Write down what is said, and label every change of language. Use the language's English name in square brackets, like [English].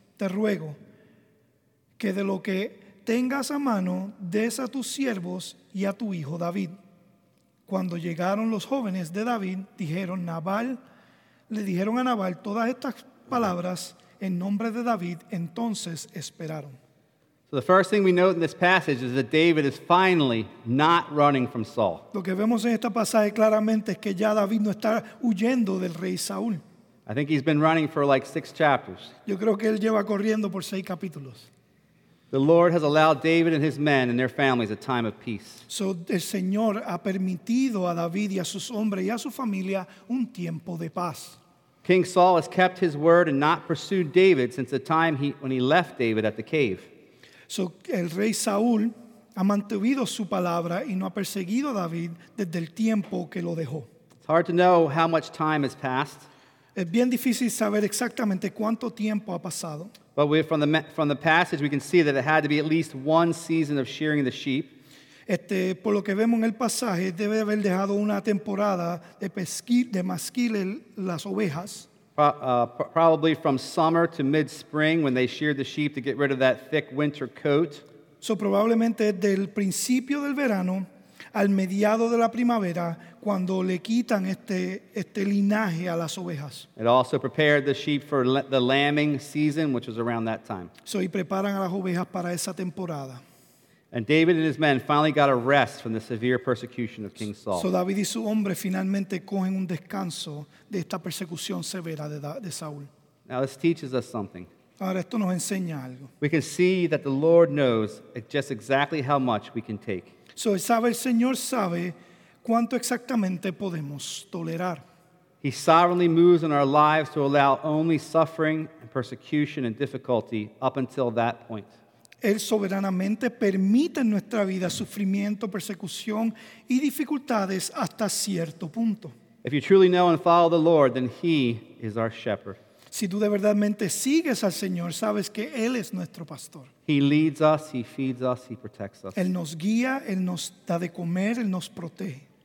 [Spanish] Te ruego que de lo que tengas a mano des a tus siervos y a tu hijo David. Cuando llegaron los jóvenes de David, le dijeron a Nabal todas estas palabras en nombre de David, entonces esperaron. [English] So the first thing we note in this passage is that David is finally not running from Saul. [Spanish] Lo que vemos en este pasaje claramente es que ya David no está huyendo del rey Saúl. [English] I think he's been running for like 6 chapters. [Spanish] Yo creo que él lleva corriendo por 6 capítulos. [English] The Lord has allowed David and his men and their families a time of peace. [Spanish] So el Señor ha permitido a David y a sus hombres y a su familia un tiempo de paz. [English] King Saul has kept his word and not pursued David since the time when he left David at the cave. [Spanish] So el rey Saúl ha mantenido su palabra y no ha perseguido a David desde el tiempo que lo dejó. [English] It's hard to know how much time has passed. [Spanish] Es bien difícil saber exactamente cuánto tiempo ha pasado. [English] But from the passage we can see that it had to be at least one season of shearing the sheep. [Spanish] Por lo que vemos en el pasaje, debe haber dejado una temporada de masquil las ovejas. [English] Probably from summer to mid-spring when they sheared the sheep to get rid of that thick winter coat. [Spanish] So probablemente del principio del verano al mediado de la primavera, cuando le quitan este linaje a las ovejas. [English] It also prepared the sheep for the lambing season, which was around that time. [Spanish] So, y preparan a las ovejas para esa temporada. [English] And David and his men finally got a rest from the severe persecution of King Saul. [Spanish] So David y su hombre finalmente cogen un descanso de esta persecución severa de Saúl. [English] Now this teaches us something. [Spanish] Ahora esto nos enseña algo. [English] We can see that the Lord knows just exactly how much we can take. [Spanish] So sabe el Señor sabe cuánto exactamente podemos tolerar. [English] He sovereignly moves in our lives to allow only suffering and persecution and difficulty up until that point. [Spanish] Él soberanamente permite en nuestra vida sufrimiento, persecución y dificultades hasta cierto punto. [English] If you truly know and follow the Lord, then He is our shepherd. [Spanish] Si tú de verdadmente sigues al Señor, sabes que Él es nuestro pastor. [English] He leads us, He feeds us, He protects us. [Spanish] Él nos guía, Él nos da de comer, Él nos protege.